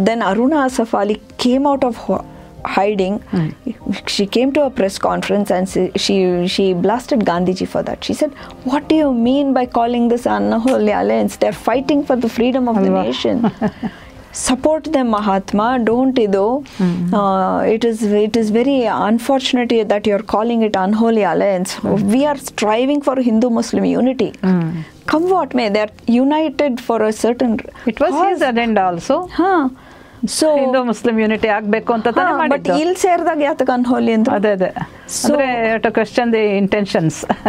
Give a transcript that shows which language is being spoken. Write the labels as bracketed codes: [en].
[en] Then Aruna Asaf Ali came out of hiding, she came to a press conference and she blasted Gandhiji for that. She said what do you mean by calling this unholy alliance, they are fighting for the freedom of the nation. support them, Mahatma. Don't ido. It is very unfortunate that you're calling it unholy alliance. We are striving for Hindu-Muslim unity. Come what may, they are united for a certain It was cause. His agenda also. So Hindu Muslim unity [kn] ಆಗಬೇಕು ಅಂತ ತಾನೆ ಮಾಡಿದ್ರು but ಇಲ್ಲಿ ಸೇರಿದಾಗ ಯಾತಕ್ಕೆ ಅನ್ಹೋಲಿ ಅಂತ ಅದೇ ಅದೇ ಅಂದ್ರೆ [en] it a question the intentions